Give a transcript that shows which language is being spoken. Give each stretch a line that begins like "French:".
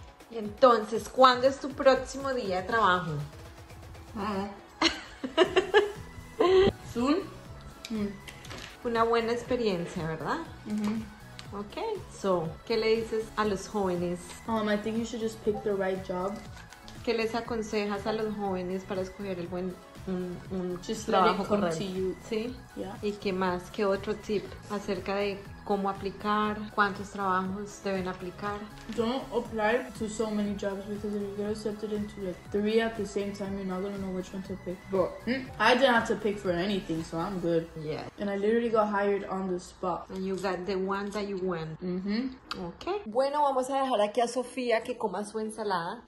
English: Yeah.
Spanish: Y entonces, ¿cuándo es tu próximo día de trabajo?
English: Soon.
Spanish: Una buena experiencia, ¿verdad? Mm-hmm. Okay, so, ¿qué le dices a los jóvenes?
English: I think you should just pick the right job.
Spanish: ¿Qué les aconsejas a los jóvenes para escoger el buen un
English: just
Spanish: trabajo
English: correcto? Just let it come
Spanish: correcto.
English: To you. Yeah.
Spanish: ¿Y qué más? ¿Qué otro tip acerca de cómo aplicar? ¿Cuántos trabajos deben aplicar?
English: Don't apply to so many jobs because if you get accepted into like 3 at the same time, you're not going to know which one to pick. But I didn't have to pick for anything, so I'm good. Yeah. And I literally got hired on the spot. And you got the one that you want. Mm-hmm. Okay.
Spanish: Bueno, vamos a dejar aquí a Sofía que coma su ensalada.